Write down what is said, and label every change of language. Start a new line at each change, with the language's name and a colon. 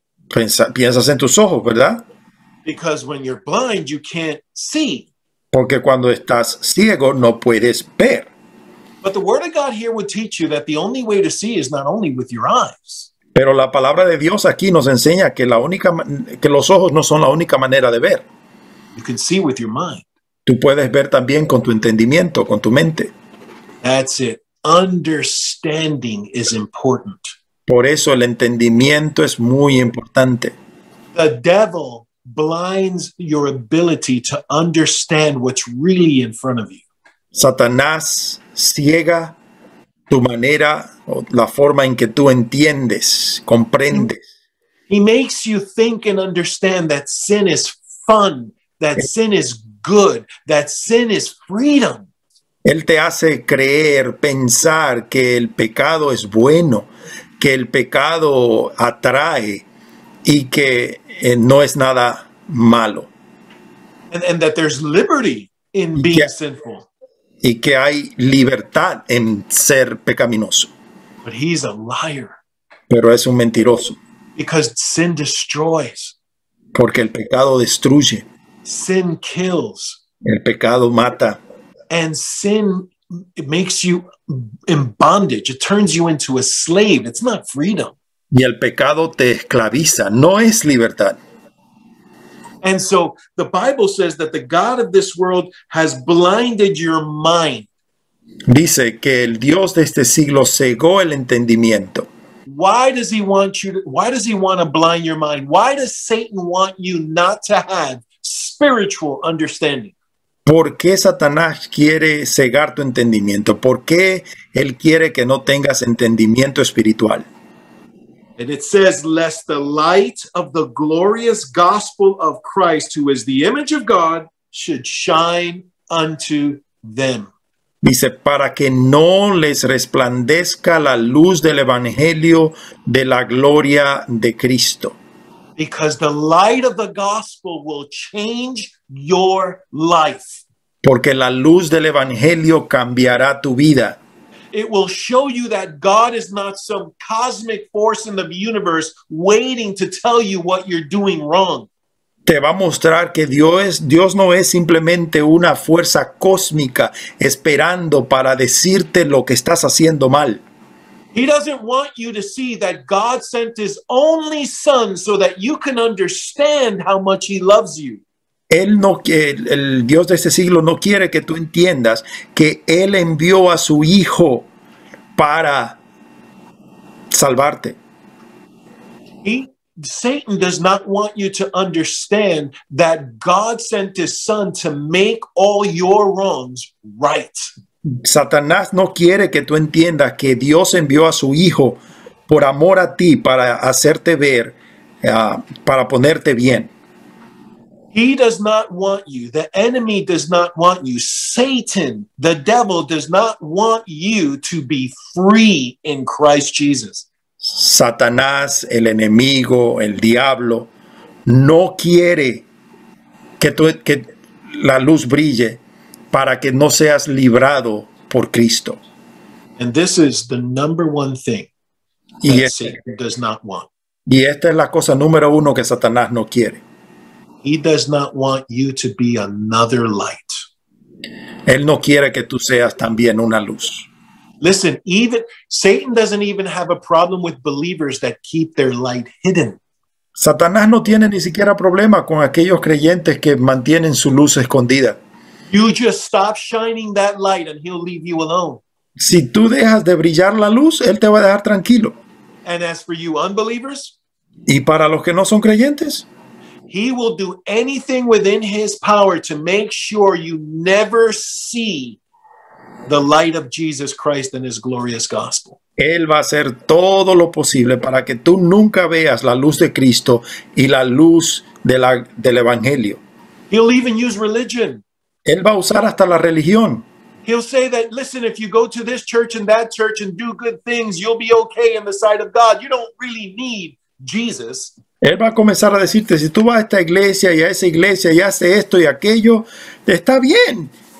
Spanish: Piensas en tus ojos, ¿verdad?
English: Because when you're blind, you can't see.
Spanish: Porque cuando estás ciego, no puedes ver.
English: But the word of God here would teach you that the only way to see is not only with your eyes.
Spanish: Pero la palabra de Dios aquí nos enseña que los ojos no son la única manera de ver.
English: You can see with your mind.
Spanish: Tú puedes ver también con tu entendimiento, con tu mente.
English: That's it. Understanding is important.
Spanish: Por eso el entendimiento es muy importante.
English: The devil blinds your ability to understand what's really in front of you.
Spanish: Satanás ciega tu manera o la forma en que tú entiendes, comprendes.
English: He makes you think and understand that sin is fun, that sin is good, that sin is freedom.
Spanish: Él te hace creer, pensar que el pecado es bueno, que el pecado atrae y que no es nada malo.
English: And that there's liberty in being sinful.
Spanish: Y que hay libertad en ser pecaminoso.
English: But he's a liar.
Spanish: Pero es un mentiroso.
English: Because sin destroys.
Spanish: Porque el pecado destruye.
English: Sin kills.
Spanish: El pecado mata.
English: And sin, it makes you in bondage. It turns you into a slave. It's not freedom.
Spanish: Y el pecado te esclaviza. No es libertad.
English: And so the Bible says that the God of this world has blinded your mind.
Spanish: Dice que el Dios de este siglo cegó el entendimiento.
English: Why does he want to blind your mind? Why does Satan want you not to have spiritual understanding?
Spanish: ¿Por qué Satanás quiere cegar tu entendimiento? ¿Por qué él quiere que no tengas entendimiento espiritual?
English: And it says, lest the light of the glorious gospel of Christ, who is the image of God, should shine unto them.
Spanish: Dice, para que no les resplandezca la luz del evangelio de la gloria de Cristo.
English: Because the light of the gospel will change your life.
Spanish: Porque la luz del evangelio cambiará tu vida.
English: It will show you that God is not some cosmic force in the universe waiting to tell you what you're doing wrong.
Spanish: Te va a mostrar que Dios no es simplemente una fuerza cósmica esperando para decirte lo que estás haciendo mal.
English: He doesn't want you to see that God sent his only son so that you can understand how much he loves you.
Spanish: Él no, el Dios de este siglo no quiere que tú entiendas que Él envió a su Hijo para salvarte.
English: Satan does not want you to understand that God sent his Son to make all your wrongs right.
Spanish: Satanás no quiere que tú entiendas que Dios envió a su Hijo por amor a ti para hacerte ver, para ponerte bien.
English: He does not want you, the enemy does not want you, Satan, the devil, does not want you to be free in Christ Jesus.
Spanish: Satanás, el enemigo, el diablo, no quiere que la luz brille para que no seas librado por Cristo.
English: And this is the number one thing that Satan does not want.
Spanish: Y esta es la cosa número uno que Satanás no quiere.
English: He does not want you to be another light.
Spanish: Él no quiere que tú seas también una luz.
English: Listen, even Satan doesn't even have a problem with believers that keep their light hidden.
Spanish: Satanás no tiene ni siquiera problema con aquellos creyentes que mantienen su luz escondida.
English: You just stop shining that light and he'll leave you alone.
Spanish: Si tú dejas de brillar la luz, él te va a dejar tranquilo.
English: And as for you unbelievers?
Spanish: ¿Y para los que no son creyentes?
English: He will do anything within his power to make sure you never see the light of Jesus Christ and his glorious gospel.
Spanish: Él va a hacer todo lo posible para que tú nunca veas la luz de Cristo y la luz del evangelio.
English: He'll even use religion.
Spanish: Él va a usar hasta la religión.
English: He'll say that, listen, if you go to this church and that church and do good things, you'll be okay in the sight of God. You don't really need Jesus.
Spanish: Él va a comenzar a decirte, si tú vas a esta iglesia y a esa iglesia y hace esto y aquello, está bien.